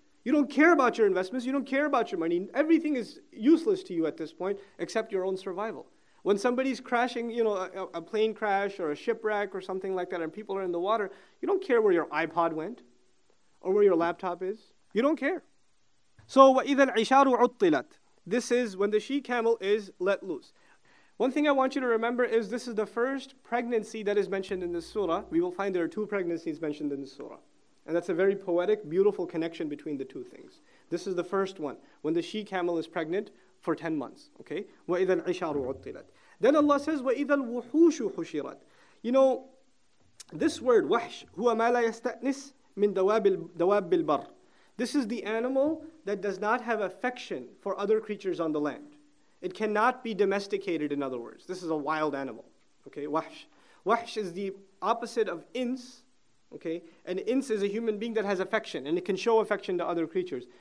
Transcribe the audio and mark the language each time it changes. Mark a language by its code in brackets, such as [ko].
[en] You don't care about your investments. You don't care about your money. Everything is useless to you at this point, except your own survival. When somebody's crashing, you know, a plane crash or a shipwreck or something like that, and people are in the water, you don't care where your iPod went or where your laptop is. You don't care. [ar] So, وَإِذَا الْعِشَارُ عُطِّلَتْ. [en] This is when the she-camel is let loose. One thing I want you to remember is this is the first pregnancy that is mentioned in this surah. We will find there are two pregnancies mentioned in the surah. And that's a very poetic, beautiful connection between the two things. This is the first one, when the she-camel is pregnant for 10 months, okay? [ar] وَإِذَا الْعِشَارُ عُطِّلَتْ. [en] Then Allah says, [ar] وَإِذَا الْوُحُوشُ حُشِرَتْ. [en] You know, this word, [ar] وَحْش, هُوَ مَا لَا يَسْتَأْنِسْ مِنْ دَوَابِ الْبَرْ. [en] This is the animal that does not have affection for other creatures on the land. It cannot be domesticated, in other words. This is a wild animal, okay? [ar] وَحْش. [en] وَحْش is the opposite of ins, okay? An ins is a human being that has affection, and it can show affection to other creatures.